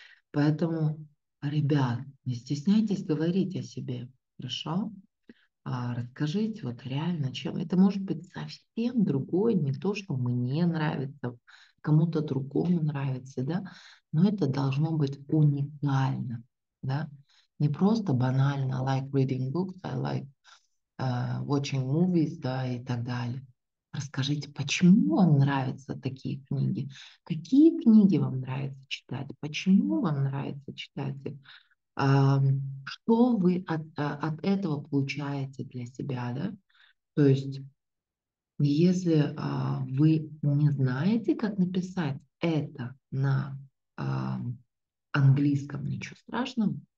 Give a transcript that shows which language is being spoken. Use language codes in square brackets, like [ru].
[ru] Поэтому, ребят, не стесняйтесь говорить о себе, хорошо? Расскажите вот реально, чем. Это может быть совсем другое, не то, что мне нравится, кому-то другому нравится, да, но это должно быть уникально, да. Не просто банально, [en] I like reading books, I like watching movies, [ru] да, и так далее. Расскажите, почему вам нравятся такие книги? Какие книги вам нравится читать? Почему вам нравится читать? Что вы от этого получаете для себя, да? То есть, если вы не знаете, как написать это на английском, ничего страшного.